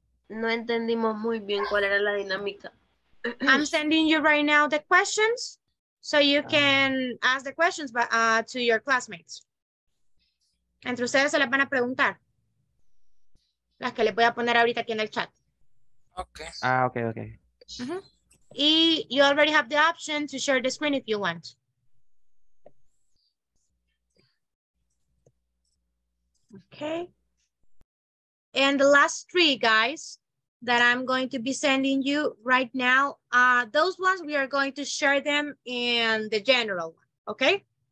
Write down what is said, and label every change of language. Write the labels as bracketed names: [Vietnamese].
[Spanish] No entendimos muy bien cuál era la dinámica. [English] I'm sending you right now the questions so you can ask the questions to your classmates. [Spanish] Entre ustedes se les van a preguntar. Las que les voy a poner ahorita aquí en el chat. [English] Okay. Ah, okay, okay. Uh-huh. Y you already have the option to share the screen if you want. Okay. And the last three, guys, that I'm going to be sending you right now, those ones we are going to share them in the general, okay?